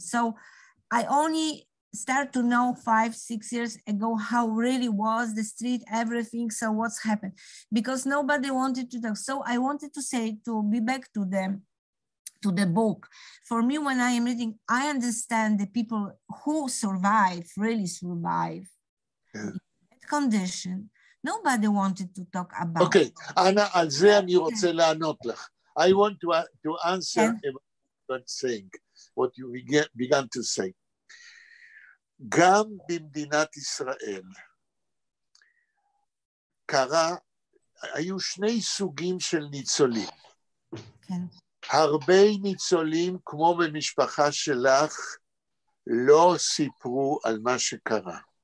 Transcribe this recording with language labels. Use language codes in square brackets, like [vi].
[en] So I only start to know 5-6 years ago how really was the street, everything, so what's happened, because nobody wanted to talk. So I wanted to say, to be back to them, to the book. For me, when I am reading, I understand the people who survive, really survive, yeah. In that condition, nobody wanted to talk about. [he] Okay, Anna, על זה אני רוצה לענות לך. [en] I want to answer what you began to say. [he] גם במדינת ישראל, היו שני סוגים של ניצולים. כן. הרבה ניצולים, כמו במשפחה שלך, לא סיפרו על מה שקרה.